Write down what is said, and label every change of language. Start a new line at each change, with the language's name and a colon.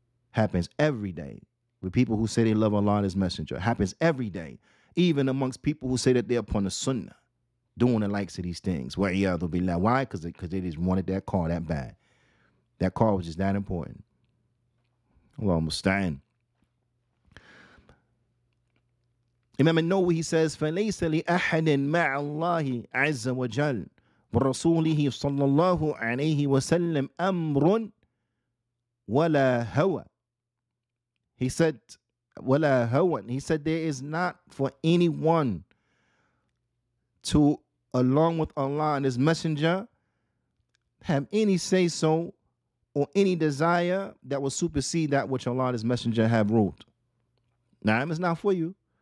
English: Happens every day with people who say they love Allah and His Messenger. Happens every day, even amongst people who say that they're upon the sunnah, doing the likes of these things. Why? Because they just wanted that car that bad. That car was just that important. Allah musta'an.
Arabic: Imam An-Nawawi,
English: he says,
Arabic: فَلَيْسَ لِأَحَدٍ مَعَ اللَّهِ عَزَّ وَجَلٍ وَرَسُولِهِ صَلَّى اللَّهُ عَلَيْهِ وَسَلَّمْ أَمْرٌ وَلَا هَوَى.
English: He said,
Arabic: وَلَا هَوَى.
English: He said, there is not for anyone to, along with Allah and His Messenger, have any say-so or any desire that will supersede that which Allah and His Messenger have wrote. Na'am, it's not for you.